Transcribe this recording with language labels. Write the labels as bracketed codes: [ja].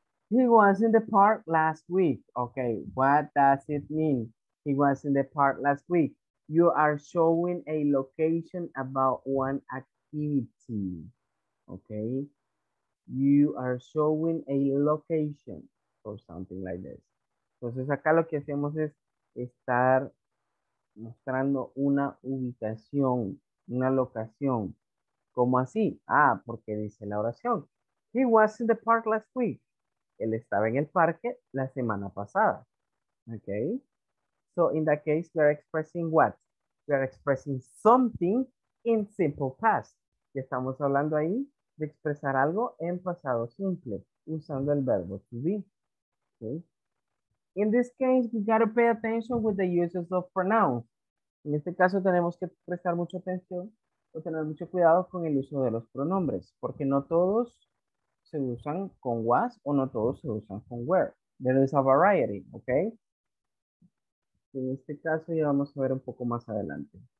[en] He was in the park last week. Okay, what does it mean? He was in the park last week. You are showing a location about one activity. Okay. You are showing a location or something like this. [es] Entonces acá lo que hacemos es estar mostrando una ubicación, una locación. ¿Cómo así? Ah, porque dice la oración. [en] He was in the park last week. [es] Él estaba en el parque la semana pasada. [en] Okay. So in that case, we are expressing what? We are expressing something in simple past. [es] Ya estamos hablando ahí de expresar algo en pasado simple, usando el verbo to be. [en] Okay. In this case, we got to pay attention with the uses of pronouns. [es] En este caso, tenemos que prestar mucha atención o tener mucho cuidado con el uso de los pronombres, porque no todos se usan con was o no todos se usan con were. [en] There is a variety, okay? [es] En este caso, ya vamos a ver un poco más adelante.